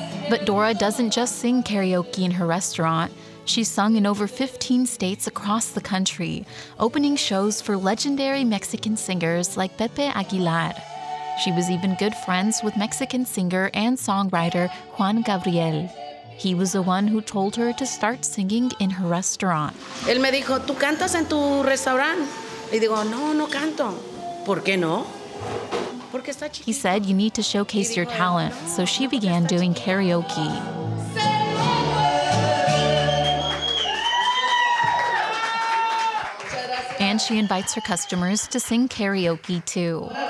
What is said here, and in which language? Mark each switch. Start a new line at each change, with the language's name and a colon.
English: But Dora doesn't just sing karaoke in her restaurant. She's sung in over 15 states across the country, opening shows for legendary Mexican singers like Pepe Aguilar. She was even good friends with Mexican singer and songwriter Juan Gabriel. He was the one who told her to start singing in her restaurant.
Spanish: Él me dijo, ¿tú cantas en tu restaurante? Y digo, no canto. ¿Por qué no? Porque está chiquito.
English: He said, you need to showcase your talent, so she began doing karaoke. And she invites her customers to sing karaoke, too.